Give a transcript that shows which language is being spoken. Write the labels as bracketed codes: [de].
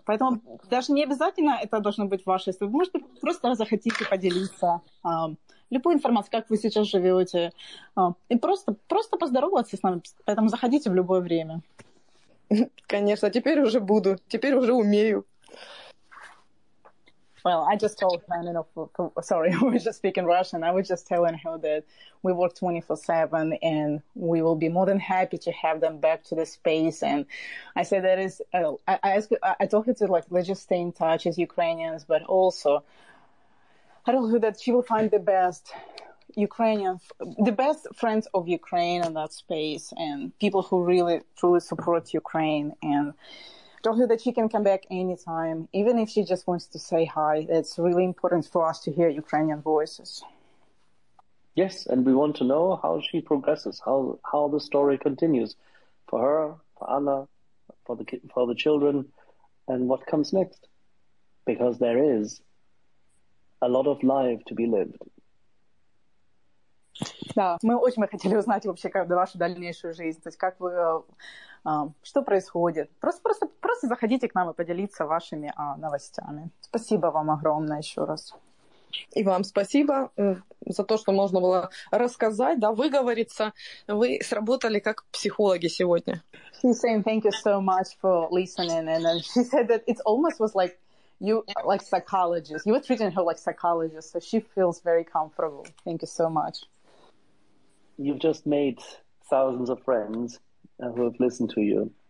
[ru] Поэтому даже не обязательно это должно быть ваше. Вы можете просто захотите поделиться любой информацией, как вы сейчас живете, и просто поздороваться с нами. Поэтому заходите в любое время. Конечно, теперь уже буду, теперь уже умею. [en] Well, I just told him, you know, sorry, we're just speaking Russian. I was just telling her that we work 24/7 and we will be more than happy to have them back to the space. And I said that is, I told her to, like, let's just stay in touch as Ukrainians, but also I told her that she will find the best Ukrainian, the best friends of Ukraine in that space and people who really, truly support Ukraine. And told her that she can come back anytime, even if she just wants to say hi. It's really important for us to hear Ukrainian voices. Yes, and we want to know how she progresses, how the story continues for her, for Anna, for the children, and what comes next. Because there is a lot of life to be lived. [ru] Да, мы очень хотели узнать вообще как вашу дальнейшую жизнь, то есть как вы, что происходит. Просто заходите к нам и поделиться вашими новостями. Спасибо вам огромное еще раз. И вам спасибо за то, что можно было рассказать, да, выговориться. Вы сработали как психологи сегодня. [en] She's saying thank you so much for listening, and she said that it almost was like you like psychologist. You were treating her like psychologist, so she feels very comfortable. Thank you so much. You've just made thousands of friends who have listened to you.